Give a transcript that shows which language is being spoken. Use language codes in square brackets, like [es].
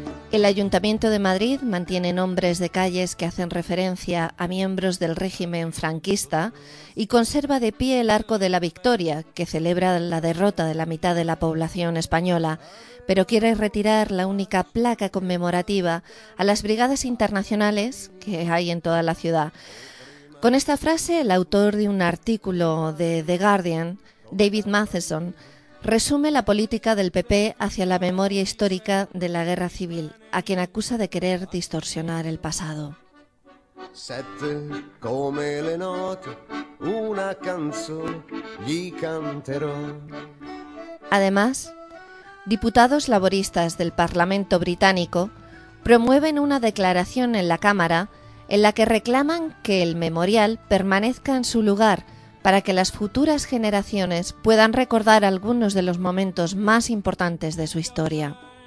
[es] El Ayuntamiento de Madrid mantiene nombres de calles que hacen referencia a miembros del régimen franquista y conserva de pie el Arco de la Victoria, que celebra la derrota de la mitad de la población española, pero quiere retirar la única placa conmemorativa a las brigadas internacionales que hay en toda la ciudad. Con esta frase, el autor de un artículo de The Guardian, David Matheson, resume la política del PP hacia la memoria histórica de la Guerra Civil, a quien acusa de querer distorsionar el pasado. [it] Sette come le note, una canzone gli canterò. [es] Además, diputados laboristas del Parlamento Británico promueven una declaración en la Cámara en la que reclaman que el memorial permanezca en su lugar para que las futuras generaciones puedan recordar algunos de los momentos más importantes de su historia.